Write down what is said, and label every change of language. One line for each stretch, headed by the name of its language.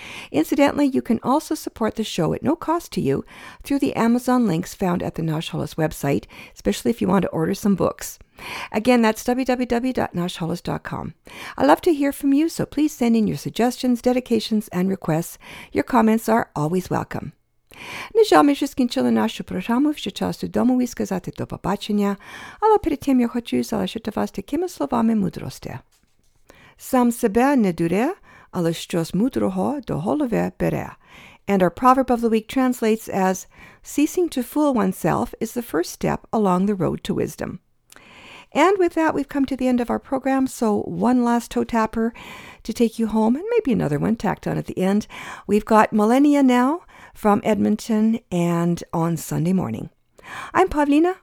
English: Incidentally, you can also support the show at no cost to you through the Amazon links found at the Nash Holos website, especially if you want to order some books. Again, that's www.nashholos.com. I love to hear from you, so please send in your suggestions, dedications, and requests. Your comments are always welcome.
Ukrainian: На жаль, ми вже скінчили нашу програму, вже час додому і сказати до побачення, але перед тим я хочу залишити вас такими словами мудрості. Сам себе не дуре, але щось мудрого до голови бере.
English: And our proverb of the week translates as, ceasing to fool oneself is the first step along the road to wisdom. And with that, we've come to the end of our program, so one last toe tapper to take you home, and maybe another one tacked on at the end. We've got Millennia Now from Edmonton and On Sunday Morning. I'm Pavlina.